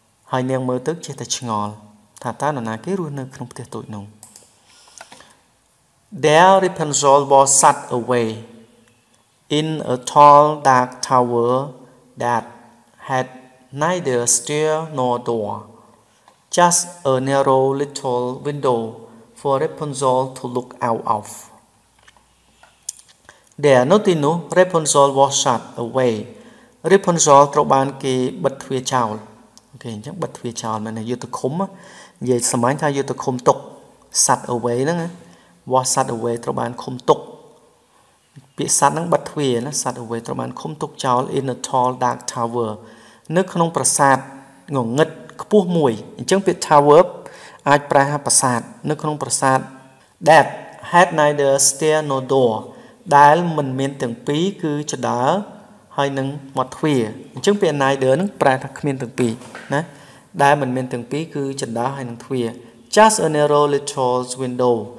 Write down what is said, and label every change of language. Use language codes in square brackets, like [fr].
[km] ហើយនាងមើលទៅចេះតែឆ្ងល់ថាតើនរណាគេរស់នៅក្នុងផ្ទះតូចនោះ [en] There Repunzel was shut away in a tall dark tower that had neither stair nor doorJust a narrow little window for Repunzel to look out of. There, [km] នៅទីនោះ [en] Repunzel was shut away. [km] Repunzel ត្រូវបានគេបិទទ្វារចោល Okay, អញ្ចឹងបិទទ្វារចោលមែនទេយុទ្ធឃុំនិយាយសាមញ្ញថាយុទ្ធឃុំទុក [en] Shut away [km] ហ្នឹង [en] Was shut away [km] ត្រូវបានឃុំទុក ពាក្យ shut ហ្នឹងបិទទ្វារណា [en] Shut away [km] ត្រូវបានឃុំទុកចោល [en] in a tall dark tower [km] នៅក្នុងប្រាសាទងងឹតខ្ពស់មួយអញ្ចឹងពាក្យ tower អាចប្រើប្រាសាទនៅក្នុងប្រាសាទ [en] that had neither stair nor door [km] ដែលមិនមានទាំងពីរគឺចដើហើយនឹងមាត់ទ្វារអញ្ចឹងពាក្យ neither ហ្នឹងប្រែថាគ្មានទាំងពីរណាដែលមិនមានទាំងពីរគឺចដើហើយនឹងទ្វារ [en] just a narrow little window